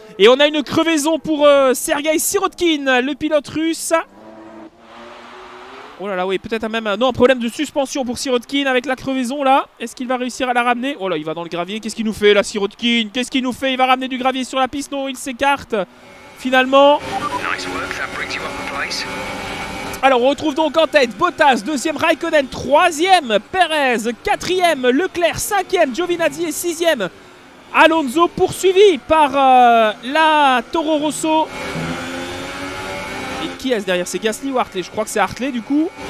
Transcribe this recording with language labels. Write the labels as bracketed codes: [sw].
[fr] Et on a une crevaison pour Sergei Sirotkin, le pilote russe. Oh là là, oui, peut-être même un problème de suspension pour Sirotkin avec la crevaison là. Est-ce qu'il va réussir à la ramener? Oh là, il va dans le gravier. Qu'est-ce qu'il nous fait là, Sirotkin? Qu'est-ce qu'il nous fait? Il va ramener du gravier sur la piste? Non, il s'écarte finalement. [en] Nice work, that brings you up the place. [fr] Alors, on retrouve donc en tête Bottas, deuxième Raikkonen, troisième Perez, quatrième Leclerc, cinquième Giovinazzi et sixième Alonso, poursuivi par la Toro Rosso. Et qui est-ce derrière? C'est Gasly ou Hartley? Je crois que c'est Hartley du coup.